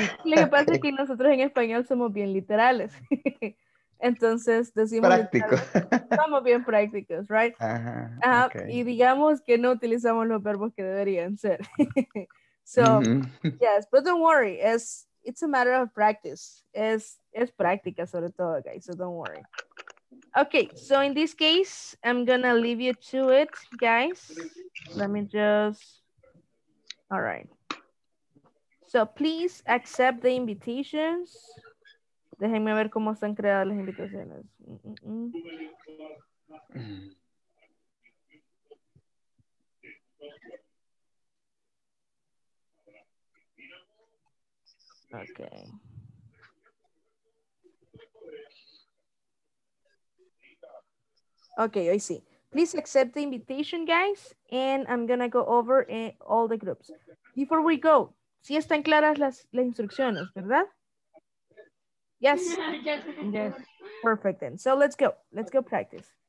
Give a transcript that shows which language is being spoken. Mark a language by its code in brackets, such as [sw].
[es] Lo que pasa es que nosotros en español somos bien literales. Entonces decimos práctico. Estamos bien prácticos, right? Ajá, okay. Y digamos que no utilizamos los verbos que deberían ser. [en] So, yes, but don't worry, it's a matter of practice. [es] Es práctica sobre todo, [en] guys, so don't worry. Okay, so in this case, I'm gonna leave you to it, guys. Let me just... all right. So please accept the invitations. [es] Déjenme ver cómo están creadas las invitaciones. [en] Okay. [es] Okay, hoy sí. [en] Please accept the invitation, guys, and I'm gonna go over all the groups. [es] Before we go, sí están claras las instrucciones, ¿verdad? [en] Yes. Yes. Perfect then. So let's go. Let's go practice.